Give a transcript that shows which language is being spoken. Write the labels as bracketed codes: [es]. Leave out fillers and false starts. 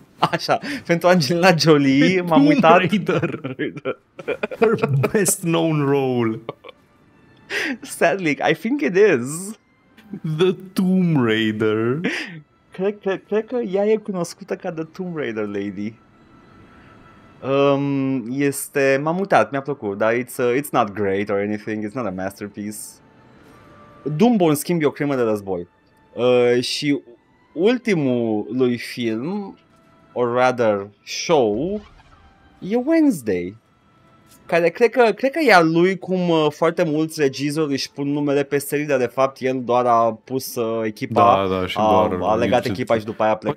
[ro] Așa, pentru Angelina Jolie m-am uitat. [en] Raider. Her best known role. Sadly, I think it is. The Tomb Raider. [ro] Cred că ea e cunoscută ca The Tomb Raider Lady. Este, m-am uitat, mi-a plăcut, dar [en] it's not great or anything, it's not a masterpiece. [ro] Dumbo, în schimb, e o crimă de război. Și ultimul lui film, [en] or rather show, [ro] e Wednesday, care cred că e a lui, cum foarte mulți regizori își pun numele pe serii, dar de fapt el doar a pus echipa, a legat echipa și după aia a plecat.